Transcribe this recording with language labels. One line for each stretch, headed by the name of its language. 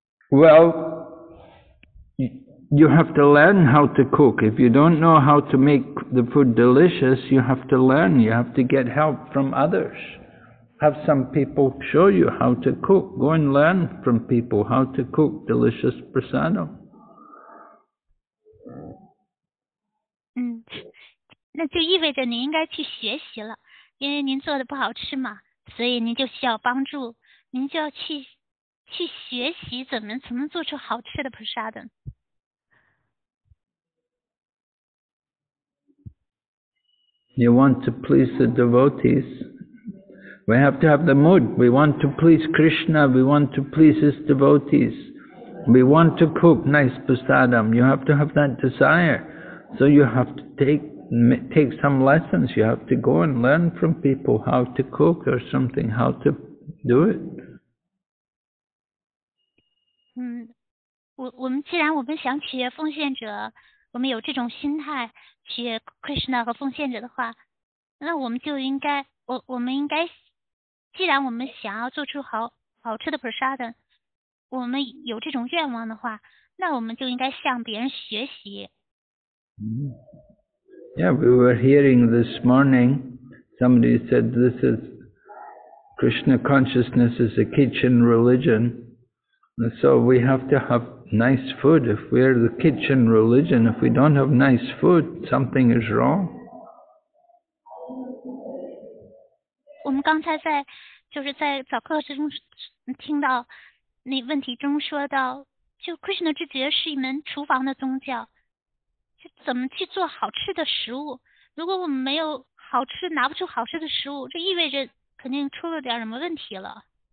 English: Well, you have to learn how to cook. If you don't know how to make the food delicious, you have to learn. You have to get help from others. Have some people show you how to cook. Go and learn from people how to cook delicious prasadam.
Chinese: 那就意味着您应该去学习了，因为您做的不好吃嘛，所以您就需要帮助，您就要去学习怎么做出好吃的 prasadam。
English: You want to please the devotees? We have to have the mood. We want to please Krishna. We want to please his devotees. We want to cook nice prasadam. You have to have that desire. So you have to take some lessons. You have to go and learn from people how to cook or something, how to do it.
Chinese: 我们既然我们想取悦奉献者，我们有这种心态取悦 Krishna 和奉献者的话，那我们就应该，我们应该，既然我们想要做出好吃的 prasadam， 我们有这种愿望的话，那我们就应该向别人学习。
English: Yeah, we were hearing this morning, somebody said this is, Krishna consciousness is a kitchen religion. And so we have to have nice food. If we are the kitchen religion, if we don't have nice food, something is wrong.
Chinese: 我们刚才在早课时中听到那问题中说到，就 Krishna 之觉是一门厨房的宗教。怎么去做好吃的食物，如果我们没有好吃，拿不出好吃的食物，这意味着肯定出了点什么问题了。